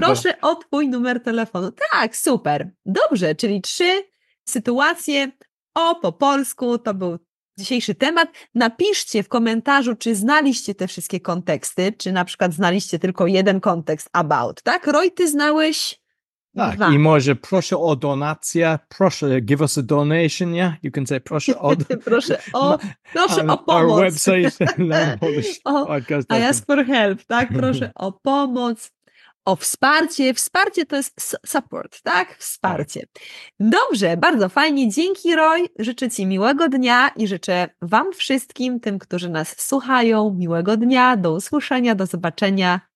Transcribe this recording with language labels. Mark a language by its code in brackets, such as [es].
[pl] Proszę o twój numer telefonu. Tak, super. Dobrze, czyli 3 sytuacje o po polsku, to był dzisiejszy temat. Napiszcie w komentarzu, czy znaliście te wszystkie konteksty, czy na przykład znaliście tylko jeden kontekst about, tak? Roy, ty znałeś? Tak, i może proszę o donację, proszę, [en] give us a donation, yeah? You can say [pl] proszę o... proszę o pomoc. [en] Our website, learnpolishpodcast.com. I ask for help, [pl] tak? Proszę o pomoc, o wsparcie. Wsparcie to jest support, tak? Wsparcie. Dobrze, bardzo fajnie. Dzięki, Roy. Życzę Ci miłego dnia i życzę Wam wszystkim, tym, którzy nas słuchają, miłego dnia, do usłyszenia, do zobaczenia.